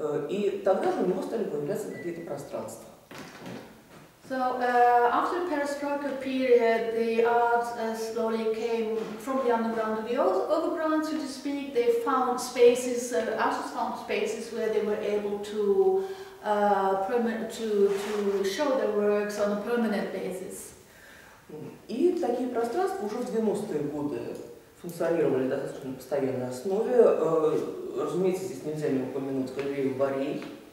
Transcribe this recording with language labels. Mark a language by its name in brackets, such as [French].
[Russian] И тогда же у него стали появляться какие-то пространства. [English] So after the perestroika period, the art slowly came from the underground to the overground, so to speak. They found spaces, artists found spaces where they were able to show their works on a permanent basis. [Russian] И такие пространства уже в 90-е годы функционировали достаточно на постоянной основе. Разумеется, здесь нельзя не упомянуть галерею Барей.